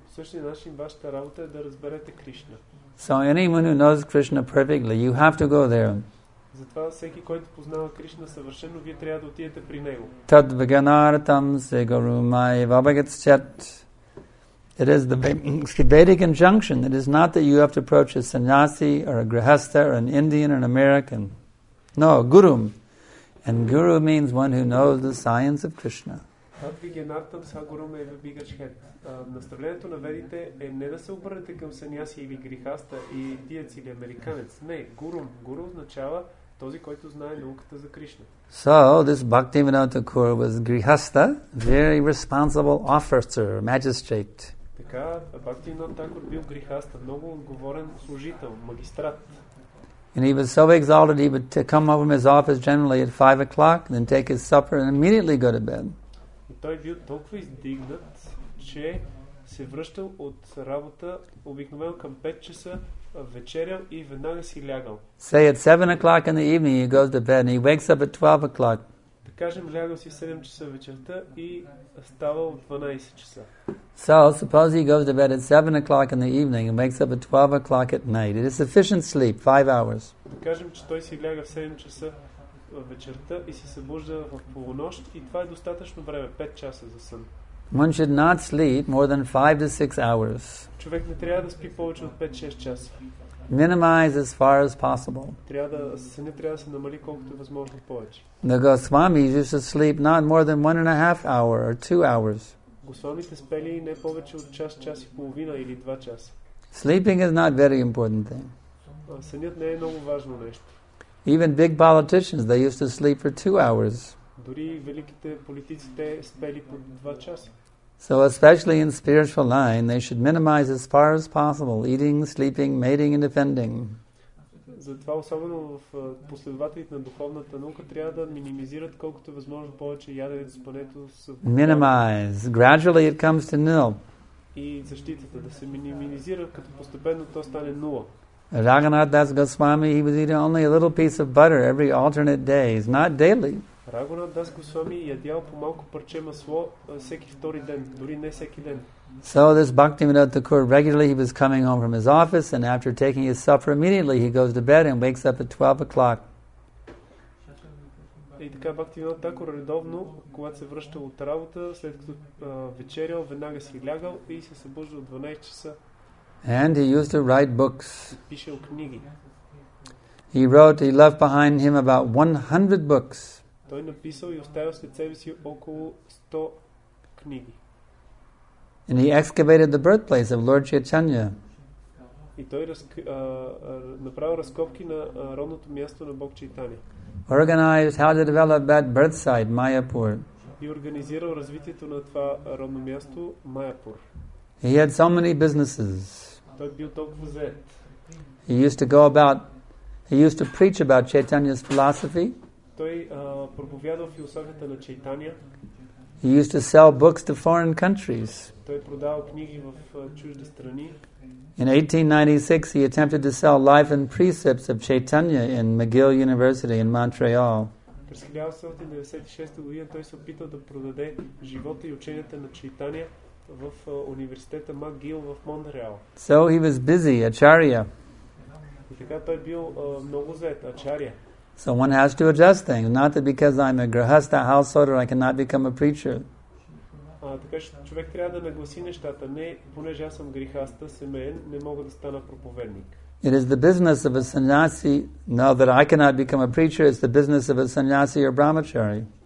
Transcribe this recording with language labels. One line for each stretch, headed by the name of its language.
Bulgarian: Същия начин вашата работа е да разберете Кришна.
English: So anyone who knows Krishna perfectly, you have to go there.
Bulgarian: Затова всеки, който познава Кришна съвършено, вие трябва да отидете при него.
Sanskrit: Tad vaganartam se guru mai vabagatschat.
English: It is the Vedic injunction. It is not that you have to approach a sannyasi or a grihastha or an Indian or an American. No, gurum. And guru means one who knows the science of Krishna.
Sanskrit: Tad vaganartam se guru mai vabagatschat.
Bulgarian: Наставлението на ведите е не да се обърнете към саньяси или грихаста и диец или американец. Не, гурум. Гуру означава този, който знае науката за Кришна.
English: So, this Bhaktivinoda Thakur was grihasta, very responsible officer, magistrate.
Bulgarian: Така, Bhaktivinoda Thakur бил грихаста, много отговорен служител, магистрат.
English: And he was so exalted, he would come over from his office generally at 5 o'clock, then take his supper and immediately go to bed.
Bulgarian: И той бил толкова издигнат, че се връщал от работа обикновено към 5 часа вечерял и веднага си лягал.
English: Say at 7 o'clock in the evening he goes to bed and he wakes up at 12 o'clock.
Bulgarian: Да кажем, лягал си в 7 часа вечерта и става от 12 часа.
English: So suppose he goes to bed at 7 o'clock in the evening and wakes up at 12 o'clock at night. It is sufficient sleep, 5 hours.
Bulgarian: Да кажем, че той си ляга в 7 часа вечерта и се събужда в полунощ и това е достатъчно време, 5 часа за сън.
English: One should not sleep more than 5 to 6 hours.
Bulgarian: Човек не трябва да спи повече от 5-6 часа.
English: Minimize as far as possible.
Bulgarian: Трябва да се намали колкото е възможно повече.
English: The Goswamis used to sleep not more than 1.5 hour or 2 hours.
Bulgarian: Госвамите спели не повече от час, час и половина или 2 часа.
English: Sleeping is not very important thing.
Bulgarian: Сънят не е много важно нещо.
English: Even big politicians, they used to sleep for 2 hours.
Bulgarian: Дори великите политици те спели по 2 часа.
English: So especially in spiritual line, they should minimize as far as possible eating, sleeping, mating and defending.
Bulgarian: Затова особено в последователите на духовната наука трябва да минимизират колкото възможно повече яденето, спането.
English: Minimize. Gradually it comes to nil.
Bulgarian: И защитата да се минимизира, като постепенно то стане нула.
English: Raghunath Das Goswami, he was eating only a little piece of butter every alternate day, not daily.
Bulgarian: Raghunath Das Goswami ядял по малко парче масло всеки втори ден, дори не всеки ден.
English: So this Bhaktivinoda Thakur, regularly he was coming home from his office and after taking his supper immediately he goes to bed and wakes up at 12 o'clock.
Bulgarian: И така Бхактивинода Такур редовно, когато се връщал от работа, след като вечерял, веднага си лягал и се събужда от 12 часа.
English: And he used to write books.
Bulgarian: Пишел книги.
English: He wrote, he left behind him about 100 books.
Bulgarian: Той написал и оставил след себе си около 100 книги.
English: And he excavated the birthplace of Lord Chaitanya.
Bulgarian: И той направил разкопки на родното място на Бог Чайтания.
English: Organized how to develop that birth site, Mayapur.
Bulgarian: И организирал развитието на това родно място, Mayapur.
English: He had so many businesses.
Bulgarian: Той бил толкова зает.
English: He used to preach about Chaitanya's philosophy.
Bulgarian: Той проповядвал философията на Чайтания.
English: He used to sell books to foreign countries.
Bulgarian: Той продавал книги в чужди страни.
English: In 1896 he attempted to sell Life and Precepts of Chaitanya in McGill University in Montreal.
Bulgarian: През 1896 година той се опитал да продаде живота и ученията на Чайтания в университета McGill в Монреал.
English: So he was busy, acharya.
Bulgarian: И така той бил много зает, acharya.
English: So one has to adjust things. Not that because I'm a grihastha householder, I cannot become a preacher.
Bulgarian: Така че човек трябва да нагласи нещата. Не, понеже аз съм грихаста, семеен, не мога да стана проповедник.
English: It is the business of a sannyasi, now that I cannot become a preacher, it's the business of a sannyasi or brahmachari.